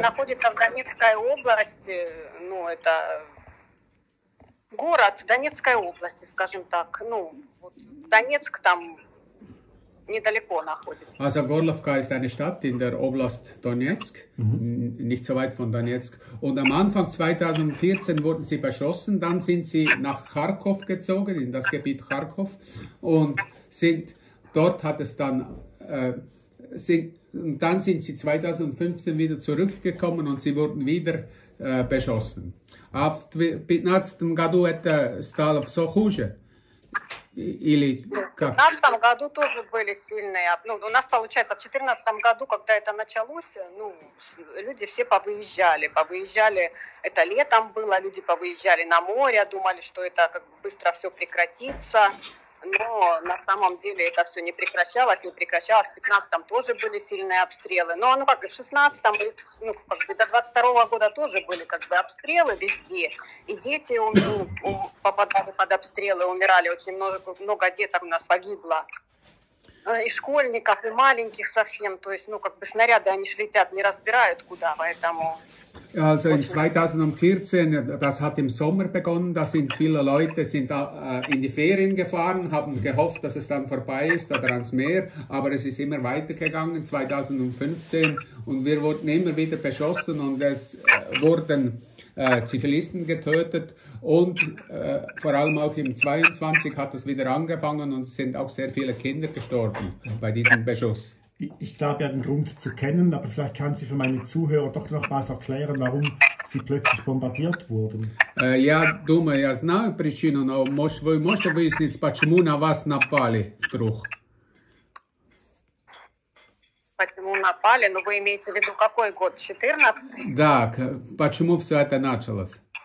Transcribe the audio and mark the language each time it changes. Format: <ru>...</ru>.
<ru>находится в Донецкой области, ну, это город Донецкой области, скажем так. Ну, вот Донецк там недалеко находится.</ru> <de>Also Gorlovka ist eine Stadt in der Oblast Donetsk, nicht so weit von Donetsk. Und am Anfang 2014 wurden sie beschossen, dann sind sie nach Charkow gezogen, in das Gebiet Charkow. Und sind dort hat es dann, dann sind sie 2015 wieder zurückgekommen und sie wurden wieder beschossen.</de> <ru>В 2015 году это стало все хуже? Или как? В 2014 году тоже были сильные. Ну, у нас получается, в 2014 году, когда это началось, ну, люди все повыезжали. Повыезжали, это летом было, люди повыезжали на море, думали, что это как бы быстро все прекратится. Но на самом деле это все не прекращалось, не прекращалось. В 2015 тоже были сильные обстрелы. Но ну, как и в 2016, ну, как бы до 2022 года тоже были как бы обстрелы везде. И дети попадали под обстрелы, умирали. Очень много деток у нас погибло. И школьников, и маленьких совсем. То есть, ну, как бы снаряды, они же летят, не разбирают куда, поэтому</ru> <de>Also in</de> <ru>очень.</ru> <de>2014, das hat im Sommer begonnen, da sind viele Leute sind da, in die Ferien gefahren, haben gehofft, dass es dann vorbei ist oder ans Meer, aber es ist immer weitergegangen, 2015, und wir wurden immer wieder beschossen und es wurden Zivilisten getötet und vor allem auch im 22 hat es wieder angefangen und es sind auch sehr viele Kinder gestorben bei diesem Beschuss. Ich glaube ja, den Grund zu kennen, aber vielleicht kann sie für meine Zuhörer doch nochmals erklären, warum sie plötzlich bombardiert wurden.</de> <ru>Я думаю, я знаю причину, но может, вы можете выяснить, почему на вас напали вдруг? Почему напали? Но вы имеете в виду, какой год? 14-й? Да, почему все это началось?</ru>